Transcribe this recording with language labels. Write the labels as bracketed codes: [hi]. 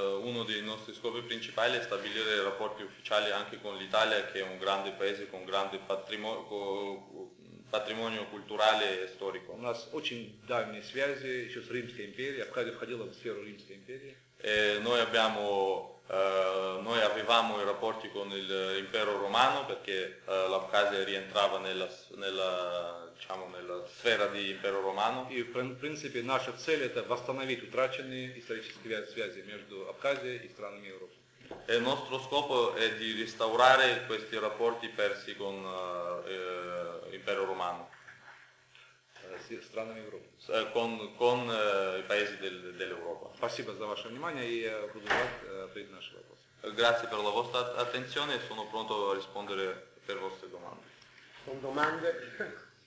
[it] Uno dei nostri scopi principali è stabilire rapporti ufficiali anche con l'Italia, che è un grande paese con grande patrimonio culturale e storico. [ru] У нас очень давние связи еще с Римской империей, Абхазия входила в сферу Римской империи. [it] Noi avevamo i rapporti con l'Impero Romano perché l'Abkhazia rientrava nella sfera di Impero Romano. [ru] И в принципе наша цель это восстановить утраченные исторические связи между Абхазией и странами Европы. [it] E il nostro scopo è di restaurare questi rapporti persi con l'Impero Romano. [ru] Странами Европы. [it] Con i paesi dell'Europa. [ru] Спасибо за ваше внимание и буду рад ответить на ваши вопросы. [it] Grazie per la vostra attenzione e sono pronto a rispondere per vostre domande. Con domande?